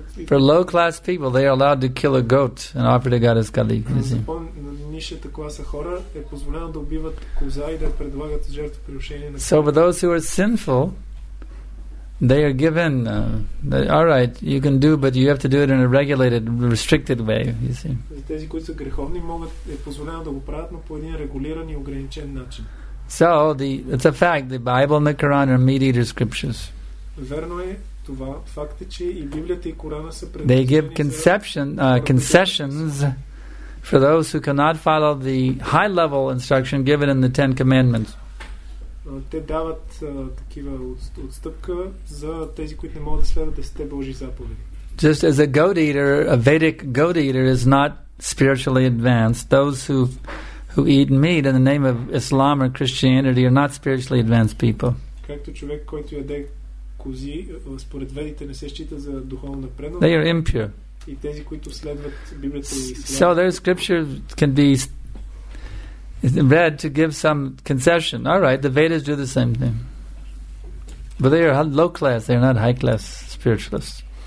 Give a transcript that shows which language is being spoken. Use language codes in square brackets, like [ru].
[en] For low class people, they are allowed to kill a goat and offer to God as kali. [bg] На нишата класа хора е позволено да убиват коза и да предлагат жертвоприношение на. [en] So for those who are sinful, they are given, all right, you can do, but you have to do it in a regulated, restricted way, you see. [bg] За тези, които са греховни, могат, е позволено да го правят, но по един регулиран и ограничен начин. [en] So, it's a fact, the Bible and the Quran are meat-eater scriptures. [bg] Верно е това, факт е, че и Библията и Корана са предназначени. [en] They give concessions for those who cannot follow the high-level instruction given in the Ten Commandments. [bg] Те дават такива отстъпка за тези, които не могат да следват 10 Божи заповеди. [en] Just as a goat eater, a Vedic goat eater is not spiritually advanced. Those who eat meat in the name of Islam or Christianity are not spiritually advanced people. [bg] Както човек, който яде кози, според ведите не се счита за духовно напреднал. [en] They are impure. [bg] И тези, които следват Библията и Ислам. [en] So their scriptures can be read to give some concession. All right, the Vedas do the same thing. But they are low class, they are not high class spiritualists.